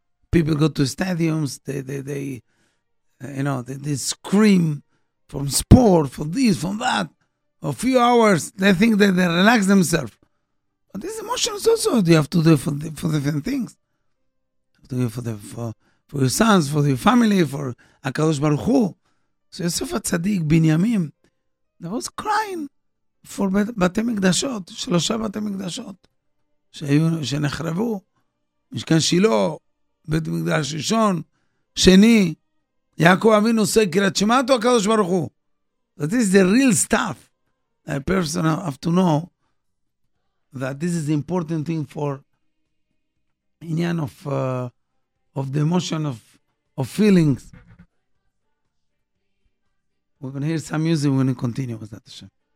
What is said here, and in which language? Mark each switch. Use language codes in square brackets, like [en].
[en] people go to stadiums, they you know, they scream from sport, from this, from that. A few hours, they think that they relax themselves. But these emotions also, you have to do for different things. You have to do for your sons, for your family, for HaKadosh Baruch Hu. So Yosef HaTzadik, Binyamin, they was crying for [he] Batei Mikdashot, Shalosha Batei Mikdashot, שנחרבו, משכן שילו, בית מקדש ראשון, שני, יעקב אבינו עושה קריאת שמע אותו הקדוש ברוך הוא. [en] That is the real stuff that a person have to know, that this is the important thing for עניין of the emotion of feelings. We're going to hear some music, we're going to continue with that, Hashem.